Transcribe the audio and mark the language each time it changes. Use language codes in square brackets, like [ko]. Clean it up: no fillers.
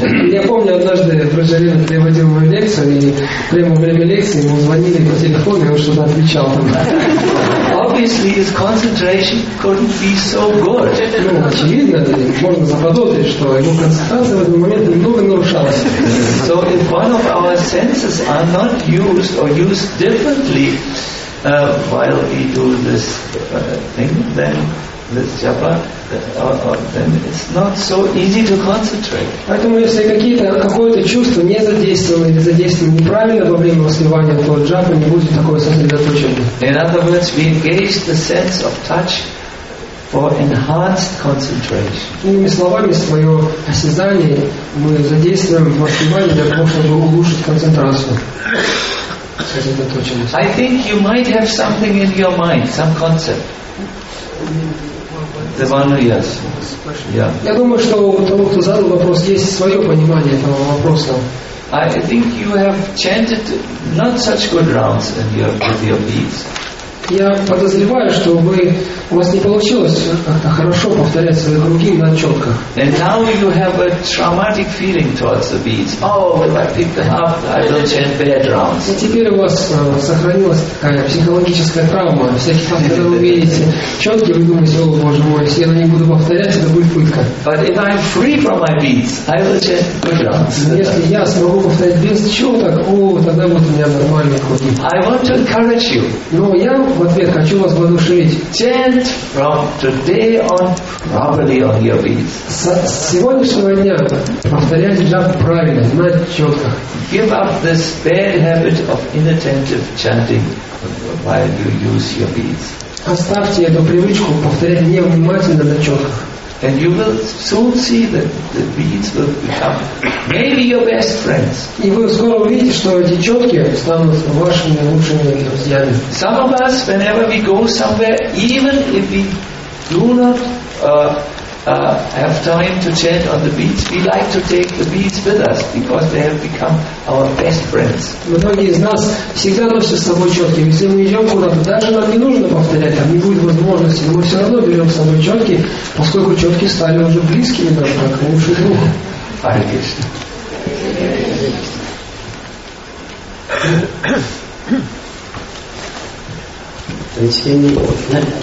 [ru] Я помню однажды Браджарин приводил мою лекцию, и прямо во время лекции ему звонили по телефону, и он что-то отвечал. [en] Obviously his concentration couldn't be so good. [ru] Ну, очевидно, можно заподозрить, что его концентрация в этот момент немного нарушалась. [en] So if one of our senses are not used or used differently while we do this thing, then this japa, then it's not so easy to concentrate. [ru] Поэтому если какое-то чувство не задействовано или задействовано неправильно во время восливания, то джапа не будет такое сосредоточение. [en] In other words, we engage the sense of touch for enhanced concentration. [ru] Иными словами, свое осязание мы задействуем в восливании для того, чтобы улучшить концентрацию. [en] I think you might have something in your mind, some concept. The one who yes. [ru] Я думаю, что у того, кто задал вопрос, есть свое понимание этого вопроса. [en] I think you have chanted not such good rounds with your beads. [ru] Я подозреваю, что вы у вас не получилось как-то хорошо повторять свои круги на четко. [en] And now you have a traumatic feeling towards the beads. Oh, if I pick them up, I don't chant bad rounds. [ru] И теперь у вас сохранилась такая психологическая травма. Всякий раз, когда вы видите четкие, вы думаете, о боже мой, если я на них буду повторять, это будет пытка. [en] But if I'm free from my beads, I will chant good rounds. [ru] Если я смогу повторять без четок, о, тогда будут у меня нормальные круги. [en] I want to encourage you. [ru] Но я в ответ хочу вас воодушевить. [en] Chant from today on properly on your beats. [ru] С сегодняшнего дня повторяйте джапу правильно, на четках. [en] Give up this bad habit of inattentive chanting while you use your beats. [ru] Оставьте эту привычку повторять невнимательно на четках. [en] And you will soon see that the beads will become maybe your best friends. [ru] И вы скоро увидите, что эти четки станут вашими лучшими друзьями. [en] Some of us, whenever we go somewhere, even if we do not have time to chant on the beads, we like to take the beads with us because they have become our best friends. [ru] Многие из нас всегда носят с собой четки. Если мы идем куда-то, даже нам не нужно повторять, там не будет возможности, но мы все равно берем с собой четки, поскольку четки стали уже близкими нам, как лучший друг. [en] Hare Krishna.